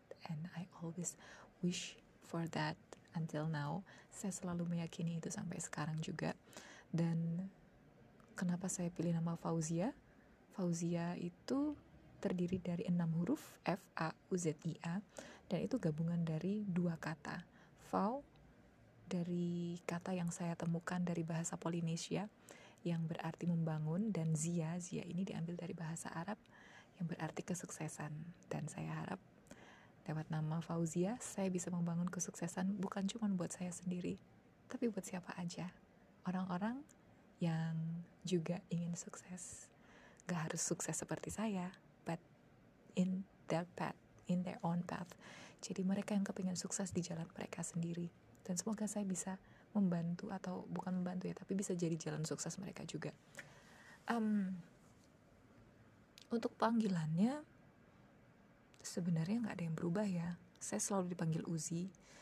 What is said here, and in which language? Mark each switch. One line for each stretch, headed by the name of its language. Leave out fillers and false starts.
English: And I always wish for that until now.
Indonesian: Saya selalu meyakini itu sampai sekarang juga. Dan kenapa saya pilih nama Fauzia? Fauzia itu terdiri dari 6 huruf, F-A-U-Z-I-A. Dan itu gabungan dari 2 kata. Fau dari kata yang saya temukan dari bahasa Polinesia, yang berarti membangun, dan Zia ini diambil dari bahasa Arab yang berarti kesuksesan. Dan saya harap lewat nama Fauzia saya bisa membangun kesuksesan bukan cuma buat saya sendiri, tapi buat siapa aja, orang-orang yang juga ingin sukses. Gak harus sukses seperti saya,
English: but in their path, in their own path.
Indonesian: Jadi mereka yang kepingin sukses di jalan mereka sendiri, dan semoga saya bisa membantu, atau bukan membantu ya, tapi bisa jadi jalan sukses mereka juga. Untuk panggilannya sebenarnya gak ada yang berubah ya. Saya selalu dipanggil Uzi.